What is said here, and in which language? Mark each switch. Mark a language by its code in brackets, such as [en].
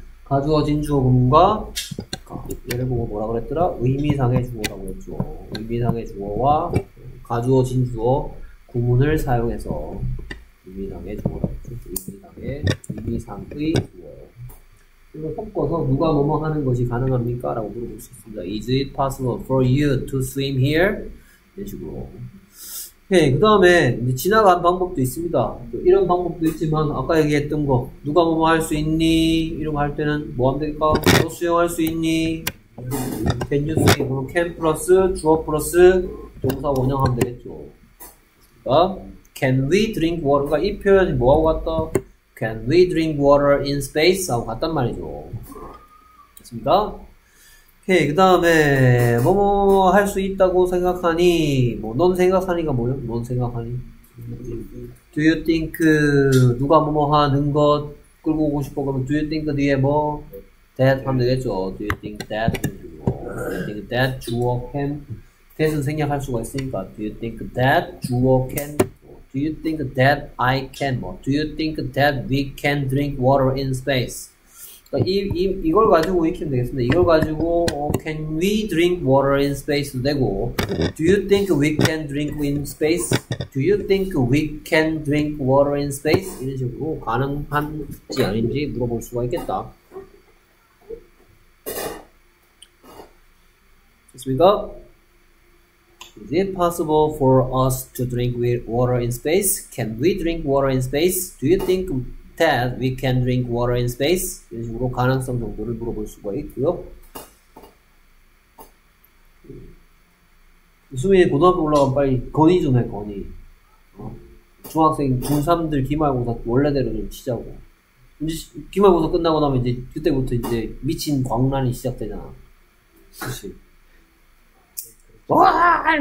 [ko] 가주어진 주어문과, 예를 보고 뭐라 그랬더라? 의미상의 주어라고 했죠. 의미상의 주어와 가주어진 주어 구문을 사용해서 의미상의 주어라고 했죠. 의미상의 주어. 이걸 섞어서 누가 뭐뭐 하는 것이 가능합니까? 라고 물어볼 수 있습니다. [en] Is it possible for you to swim here? [ko] 이런 식으로. 네, 그 다음에 지나간 방법도 있습니다. 이런 방법도 있지만 아까 얘기했던 거 누가 뭐뭐 할 수 있니? 이런 거 할 때는 뭐 하면 될까? 너 수영할 수 있니? can you say 그럼 can 플러스 주어 플러스 동사 원형하면 되겠죠. 어? [en] Can we drink water가 이 표현이 뭐하고 같다? Can we drink water in space? [ko] 하고 같단 말이죠. 됐습니다. 오케이, 그 다음에 뭐뭐 할 수 있다고 생각하니 뭐 넌 생각하니가 뭐요? 넌 생각하니? Do you think 누가 뭐뭐 하는 것 끌고 오고 싶어? [en] 그러면 Do you think 뒤에 뭐? That 하면 되겠죠. Do you think that? Do you think that 주어 can? That은 생략할 수가 있으니까 Do you think that 주어 can? Do you think that I can? Do you think that we can drink water in space? [ko] 이걸 가지고 익히면 되겠습니다. [en] 이걸 가지고 can we drink water in space? 되고 Do you think we can drink in space? Do you think we can drink water in space? [ko] 이런 식으로 가능한지 아닌지 물어볼 수가 있겠다. [en] 좋습니다. Is it possible for us to drink water in space? Can we drink water in space? Do you think that we can drink water in space? [ko] 이런 식으로 가능성 정도를 물어볼 수가 있고요. 수민이 고등학교 올라가면 빨리 건의 좀 해, 건의. 중학생, 중3들 기말고사 원래대로 좀 치자고. 이제 기말고사 끝나고 나면 이제 그때부터 이제 미친 광란이 시작되잖아. 그치. 와!